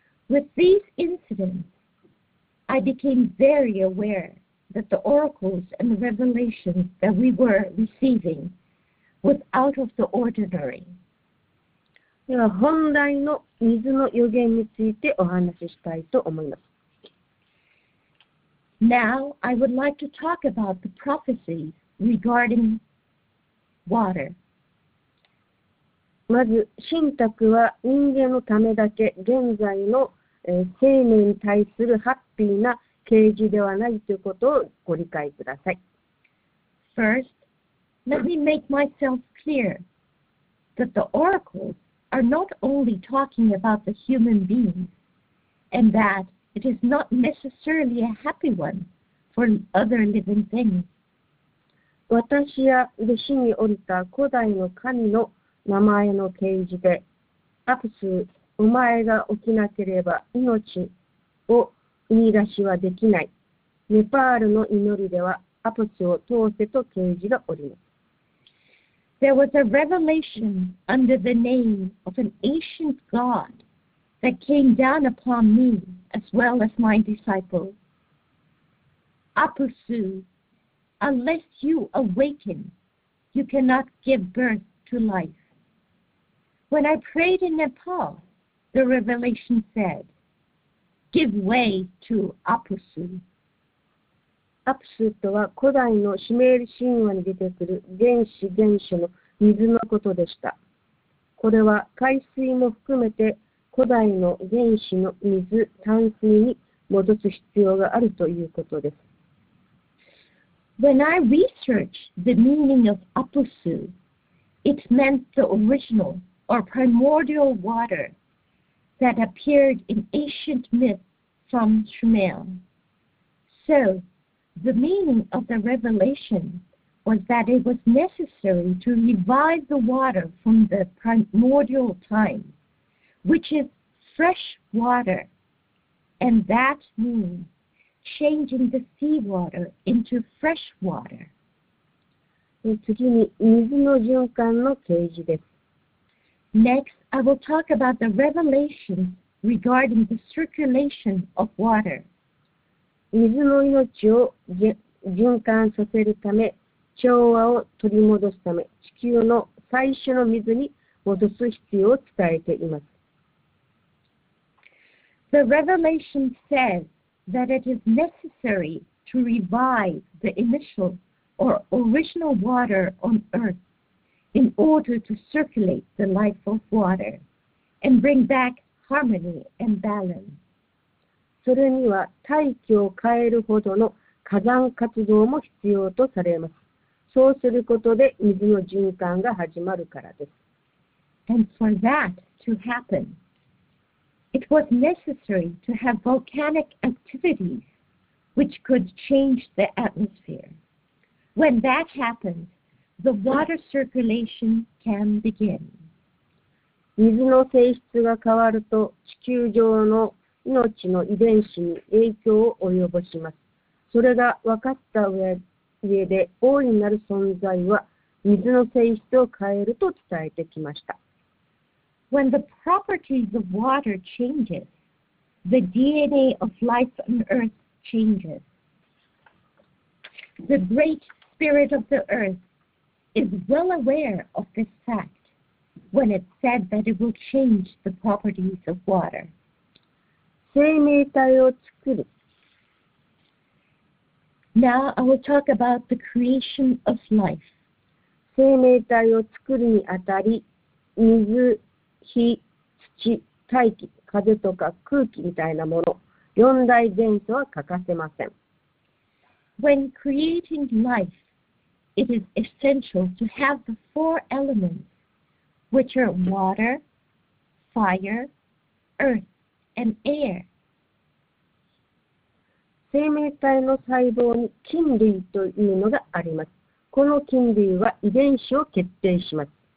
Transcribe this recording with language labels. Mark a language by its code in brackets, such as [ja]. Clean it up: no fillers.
[en] With these incidents, I became very aware that the oracles and revelations that we were receiving was out of the ordinary. [ja] では本題の水の予言についてお話ししたいと思います。 [en] Now, I would like to talk about the prophecies regarding water. [ja] まず、信託は人間のためだけ、現在の生命に対するハッピーな啓示ではないということをご理解ください。 [en] First, let me make myself clear that the oracles are not only talking about the human beings, and that it is not necessarily a happy one for other living things. [ja] 私や弟子に降りた古代の神の名前の啓示で、アプス、お前が起きなければ命を生み出しはできない。ネパールの祈りではアプスを通せと啓示がおります。 [en] There was a revelation under the name of an ancient god that came down upon me as well as my disciples. Apusu, unless you awaken, you cannot give birth to life. When I prayed in Nepal, the revelation said, Give way to Apusu. [ja] アプスとは古代のシュメール神話に出てくる原始原初の水のことでした。これは海水も含めて古代の原始の水、淡水に戻す必要があるということです。 [en] When I researched the meaning of Apusu, it meant the original or primordial water that appeared in ancient myth from Sumer. So,The meaning of the revelation was that it was necessary to revive the water from the primordial time, which is fresh water, and that means changing the seawater into fresh water. [ja] 次に水の循環の啓示です。 [en] Next, I will talk about the revelations regarding the circulation of water. [ja] 水の命を循環させるため、調和を取り戻すため、地球の最初の水に戻す必要を伝えています。 [en] The revelation says that it is necessary to revive the initial or original water on earth in order to circulate the life of water and bring back harmony and balance. [ja] それには大気を変えるほどの火山活動も必要とされます。そうすることで水の循環が始まるからです。 [en] And for that to happen, it was necessary to have volcanic activities which could change the atmosphere. When that happens, the water circulation can begin. [ja] 水の性質が変わると地球上の命の遺伝子に影響を及ぼします。それが分かった上で大いなる存在は水の性質を変えると伝えてきました。 [en] When the properties of water changes, the DNA of life on earth changes. The great spirit of the earth is well aware of this fact when it said that it will change the properties of water. [ja] 生命体を作る。 [en] Now I will talk about the creation of life. [ja] 生命体を作るにあたり、水、火、土、大気、風とか空気みたいなもの、四大元素は欠かせません。 [en] When creating life, it is essential to have the four elements, which are water, fire, earth. And air. [ja] 生命体の細胞に菌類というのがあります。この菌類は遺伝子を決定します。